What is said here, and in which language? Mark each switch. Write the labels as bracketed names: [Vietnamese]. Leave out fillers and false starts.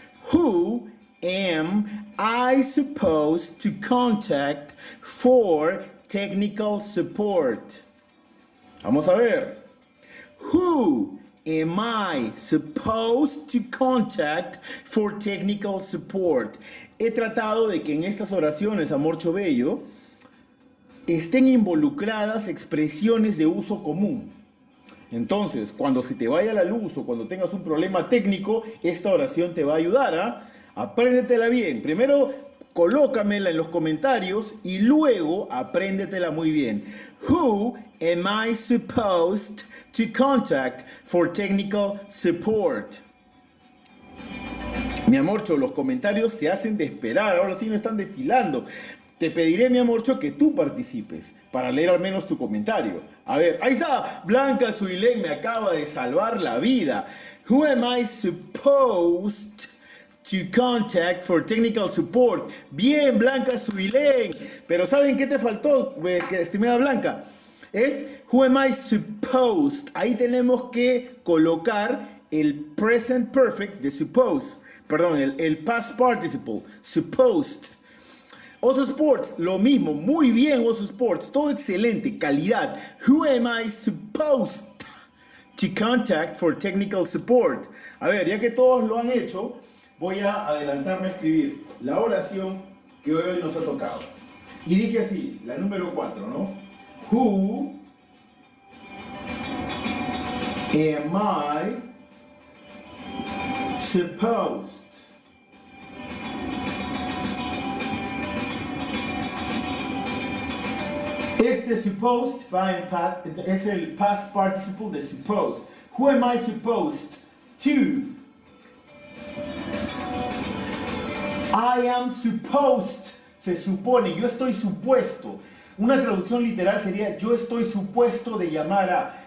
[English] Who am I supposed to contact for technical support? [Spanish] Vamos a ver. [English] Who am I supposed to contact for technical support? [Spanish] He tratado de que en estas oraciones, amor chovello, estén involucradas expresiones de uso común. Entonces, cuando se te vaya la luz o cuando tengas un problema técnico, esta oración te va a ayudar, ¿eh? Apréndetela bien. Primero, Colócamela en los comentarios y luego apréndetela muy bien. [English] Who am I supposed to contact for technical support? [Spanish] Mi amorcho, los comentarios se hacen de esperar. Ahora sí no están desfilando. Te pediré, mi amorcho, que tú participes para leer al menos tu comentario. A ver, ahí está. Blanca Suilén me acaba de salvar la vida. [English] Who am I supposed to contact for technical support? [Spanish] Bien, Blanca Suilén. Pero ¿saben qué te faltó, estimada Blanca? Es [English] Who am I supposed. [Spanish] Ahí tenemos que colocar el present perfect de supposed. Perdón, el past participle. Supposed. Oso Sports, lo mismo. Muy bien, Oso Sports. Todo excelente. Calidad. [English] Who am I supposed to contact for technical support? [Spanish] A ver, ya que todos lo han hecho, voy a adelantarme a escribir la oración que hoy nos ha tocado. Y dije así, la número 4, ¿no? [English] Who am supposed [Spanish] Este supposed es el past participle de supposed. [English] Who am I supposed to? I am supposed. [Spanish] Se supone, yo estoy supuesto. Una traducción literal sería: yo estoy supuesto de llamar a.